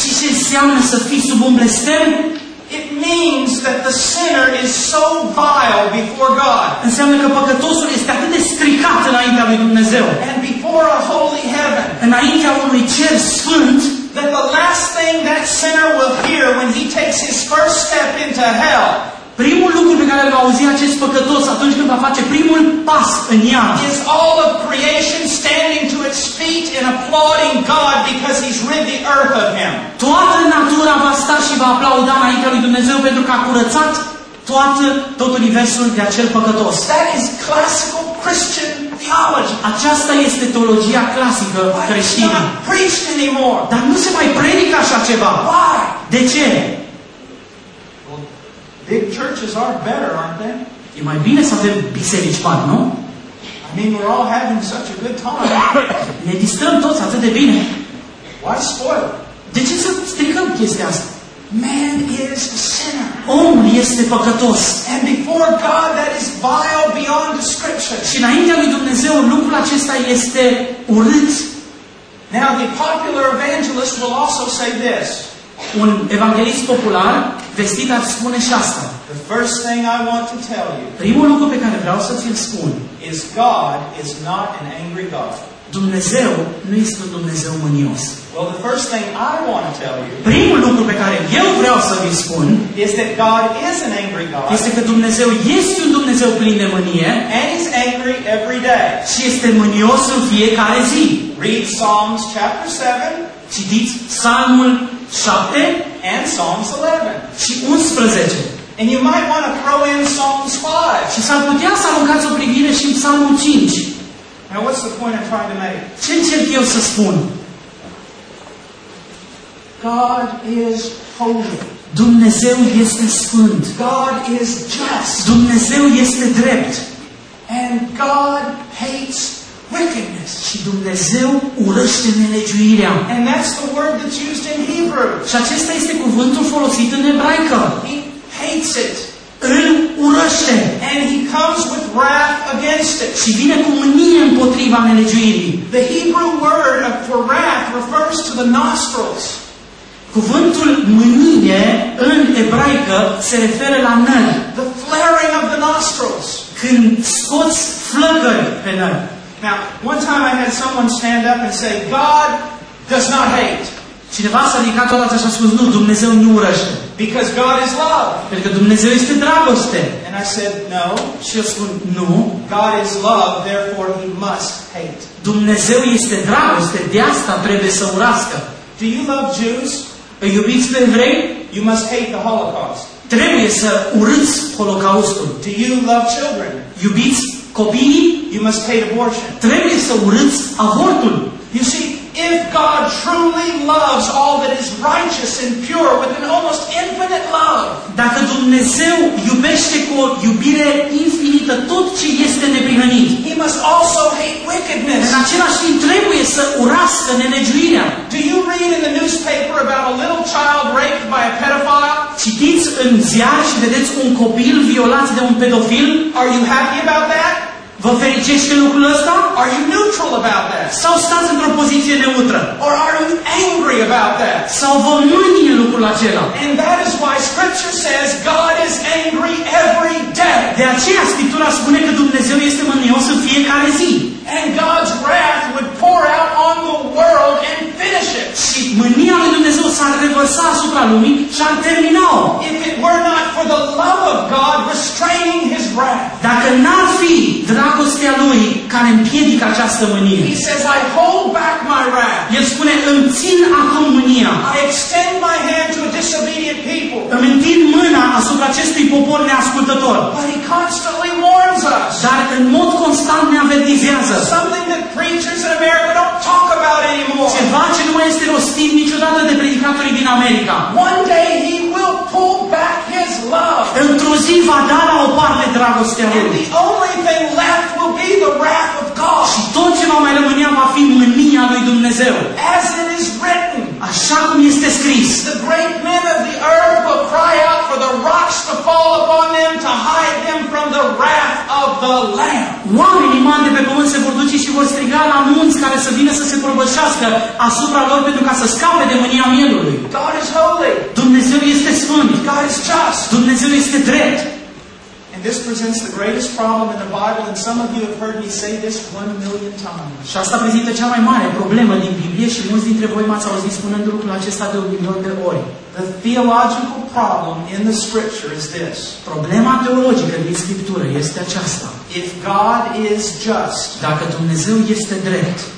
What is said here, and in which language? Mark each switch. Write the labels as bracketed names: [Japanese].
[Romanian] Și ce înseamnă să fii sub un blestem? [English] It means that the sinner is so vile before God. [Romanian] Înseamnă că păcătosul este atât de stricat înaintea lui Dumnezeu. [English] And before a holy heaven. [Romanian] Înaintea unui cer sfânt. [English] That the last thing that sinner will hear when he takes his first step into hell. [Romanian] Primul lucru pe care îl va auzi acest păcătos atunci când va face primul pas în iad. [English] Is all of creation standing to its feet and applauding God because he's rid the earth of him. [Romanian] Toată natura va sta și va aplauda înaintea lui Dumnezeu pentru că a curățat tot universul de acel păcătos. [English] That is classical Christian theology. theology. [Romanian] Aceasta este teologia clasică creștină. [English] It's not preached anymore. [Romanian] Dar nu se mai predică așa ceva. [English] Why? [Romanian] De ce? [English] Big churches are better, aren't they? [Romanian] E mai bine să avem biserici mari, nu? [English] I mean, we're all having such a good time. [Romanian] Ne distrăm toți atât de bine. [English] Why spoil? [Romanian] De ce să stricăm chestia asta? [English] Man is a sinner. [Romanian] Omul este păcătos. [English] And before God, that is vile beyond description. [Romanian] Și înaintea lui Dumnezeu, lucrul acesta este urât. [English] Now, the popular evangelist will also say this. [Romanian] Un evanghelist popular vestit ar spune și asta. [English] The first thing I want to tell you. [Romanian] Primul lucru pe care vreau să ți-l spun. [English] Is God is not an angry God. [Romanian] Dumnezeu nu este un Dumnezeu mânios. [English] Well, the first thing I want to tell you. [Romanian] Primul lucru pe care eu vreau să vi spun. [English] Is that God is an angry God. [Romanian] Este că Dumnezeu este un Dumnezeu plin de mânie. [English] And he's angry every day. [Romanian] Și este mânios în fiecare zi. [English] Read Psalms chapter 7. [Romanian] Citiți Psalmul 7 [English] and Psalms 11. [Romanian] Și 11. [English] And you might want to throw in Psalms 5. [Romanian] Și s-ar putea să aruncați o privire și în Psalmul 5. [English] Now what's the point I'm trying to make? [Romanian] Ce încerc eu să spun? [English] God is holy. [Romanian] Dumnezeu este sfânt. [English] God is just. [Romanian] Dumnezeu este drept. [English] And God hates wickedness. [Romanian] Și Dumnezeu urăște nelegiuirea. [English] And that's the word that's used in Hebrew. [Romanian] Și acesta este cuvântul folosit în ebraică. [English] He hates it. [Romanian] Îl urăște. [English] And he comes with wrath against it. [Romanian] Și vine cu mânie împotriva nelegiuirii. [English] The Hebrew word for wrath refers to the nostrils. [Romanian] Cuvântul mânie în ebraică se referă la nări. [English] The flaring of the nostrils. [Romanian] Când scoți flăcări pe nări. [English] Now, one time I had someone stand up and say, God does not hate. [Romanian] Cineva s-a ridicat odată și a spus, nu, Dumnezeu nu urăște. [English] Because God is love. [Romanian] Pentru că Dumnezeu este dragoste. [English] And I said, no. [Romanian] Și eu spun, nu. [English] God is love, therefore he must hate. [Romanian] Dumnezeu este dragoste, de asta trebuie să urască. [English] Do you love Jews? [Romanian] Îi iubiți pe evrei? [English] You must hate the Holocaust. [Romanian] Trebuie să urâți Holocaustul. [English] Do you love children? [Romanian] Iubiți copiii? [English] You must hate abortion. [Romanian] Trebuie să urâți avortul. [English] You see, if God truly loves all that is righteous and pure with an almost infinite love. [Romanian] Dacă Dumnezeu iubește cu o iubire infinită tot ce este neprihănit. [English] He must also hate wickedness. [Romanian] În același timp trebuie să urască nelegiuirea. [English] Do you read in the newspaper about a little child raped by a pedophile? [Romanian] Citiți în ziar și vedeți un copil violat de un pedofil? [English] Are you happy about that? [Romanian] Vă fericește lucrul ăsta? [English] Are you neutral about that? [Romanian] Sau stați într-o poziție neutră? [English] Or are you angry about that? [Romanian] Sau vă mânie lucrul acela? [English] And that is why scripture says God is angry every day. [Romanian] De aceea Scriptura spune că Dumnezeu este mânios în fiecare zi. [English] And God's wrath would pour out on the world and finish it. [Romanian] Și mânia lui Dumnezeu s-ar revărsa asupra lumii și ar termina-o. [English] If it were not for the love of God restraining his wrath. [Romanian] Dacă n-ar fi dragostea lui care împiedică această mânie. [English] He says, I hold back my wrath. [Romanian] El spune, îmi țin acum mânia. [English] I extend my hand to a disobedient people. [Romanian] Îmi întind mâna asupra acestui popor neascultător. [English] But he constantly warns us. [Romanian] Dar în mod constant ne avertizează. [English] Something that preachers in America don't talk about anymore. [Romanian] Ceva ce nu mai este rostit niciodată de predicatorii din America. [English] One day he will pull back his love. [Romanian] Într-o zi va da la o parte dragostea lui. [English] And the only thing left will be the wrath of God. [Romanian] Și tot ce va mai rămâne va fi mânia lui Dumnezeu. [English] As it is written. [Romanian] Așa cum este scris. [English] The great men of the earth will cry out for the rocks to fall upon them to hide them from the wrath of the Lamb. [Romanian] Oamenii mari de pe pământ se vor duce și vor striga la munți care să vină să se prăbășească asupra lor pentru ca să scape de mânia mielului. [English] God is holy. [Romanian] Dumnezeu este sfânt. [English] God is just. [Romanian] Dumnezeu este drept. [English] And this presents the greatest problem in the Bible, and some of you have heard me say this 1,000,000 times. [Romanian] Și asta prezintă cea mai mare problemă din Biblie și mulți dintre voi m-ați auzit spunând lucrul acesta de 1,000,000 de ori. [English] The theological problem in the Scripture is this. [Romanian] Problema teologică din Scriptură este aceasta. [English] If God is just, [Romanian] dacă Dumnezeu este drept,